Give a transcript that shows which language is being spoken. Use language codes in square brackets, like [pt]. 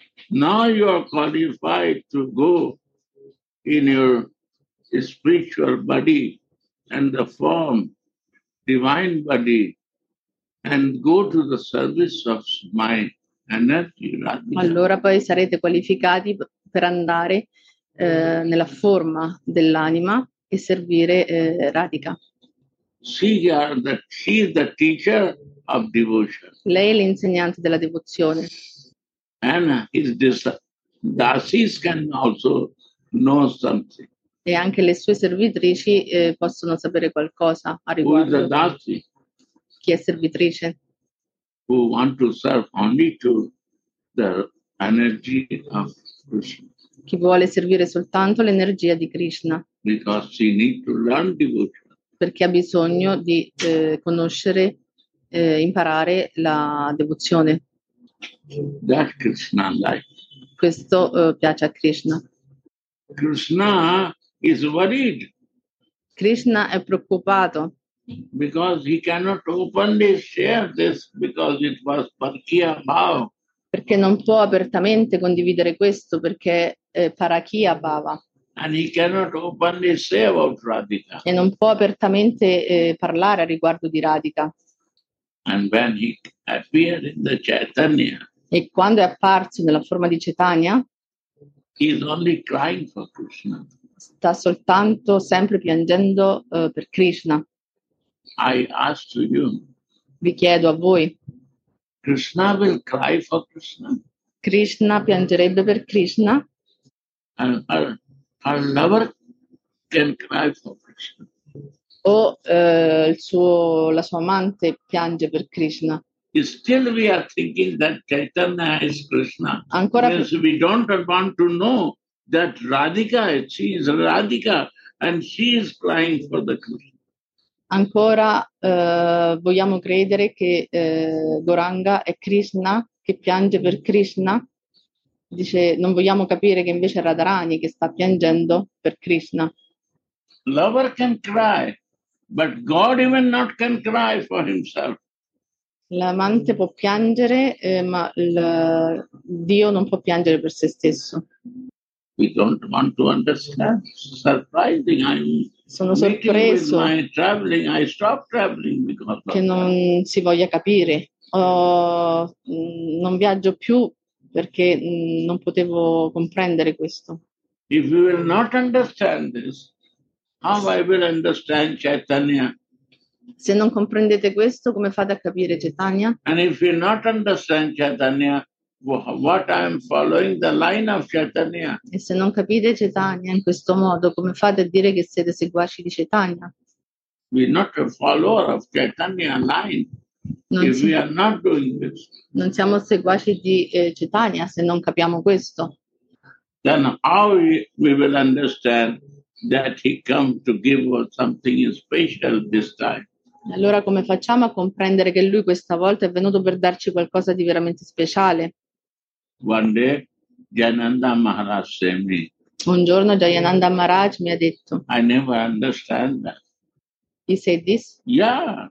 [en] Now you are qualified to go in your spiritual body and the form, divine body, and go to the service of my energy. [it] Allora poi sarete qualificati per andare nella forma dell'anima e servire Radhika. [en] She is the teacher of devotion. [it] Lei è l'insegnante della devozione. [en] And his dasis can also know something. [it] E anche le sue servitrici possono sapere qualcosa a riguardo. [en] Who is the dasi? [it] Chi è servitrice? [en] Who want to serve only to the energy of Krishna. [it] Chi vuole servire soltanto l'energia di Krishna. [en] Because she need to learn devotion. [it] Perché ha bisogno di conoscere imparare la devozione. [en] That Krishna like. [it] Questo piace a Krishna. [en] Krishna is worried. [it] Krishna è preoccupato. [en] Because he cannot openly share this because it was parakia bhava. [it] Perché non può apertamente condividere questo perché è parakia bhava. [en] And he cannot openly say about Radhika. [it] E non può apertamente parlare a riguardo di Radhika. [en] And when he appeared in the Chaitanya. [it] E quando è apparso nella forma di Chaitanya? [en] He is only crying for Krishna. [it] Sta soltanto sempre piangendo per Krishna. [en] I ask to you. [it] Vi chiedo a voi. [en] Krishna will cry for Krishna. [it] Krishna piangerebbe per Krishna. [en] And her lover can cry for Krishna. [it] O la sua amante piange per Krishna. [en] Still we are thinking that Chaitanya is Krishna. [it] Ancora [en] yes, we don't want to know that Radhika, she is Radhika and she is crying for the Krishna. [it] Ancora vogliamo credere che Goranga è Krishna che piange per Krishna? Dice, non vogliamo capire che invece è Radharani che sta piangendo per Krishna. [en] Lover can cry, but God even not can cry for himself. [it] L'amante può piangere, ma Dio non può piangere per se stesso. [en] We don't want to understand. Surprising, I mean. [it] Sono sorpreso che non si voglia capire. Non viaggio più perché non potevo comprendere questo. [en] If you will not understand this, how I will understand Chaitanya? [it] Se non comprendete questo, come fate a capire Chaitanya? [en] And if you not understand Chaitanya, what I am following the line of Chaitanya. [it] E se non capite Chaitanya in questo modo, come fate a dire che siete seguaci di Chaitanya? [en] We are not a follower of Chaitanya line. We are not doing this. [it] Non siamo seguaci di Chaitanya se non capiamo questo. [en] Then how we will understand that he come to give us something special this time? [it] Allora come facciamo a comprendere che lui questa volta è venuto per darci qualcosa di veramente speciale? [en] One day, Jayananda Maharaj said me. [it] Un giorno Jayananda Maharaj mi ha detto. [en] I never understand that. He said this? Yeah.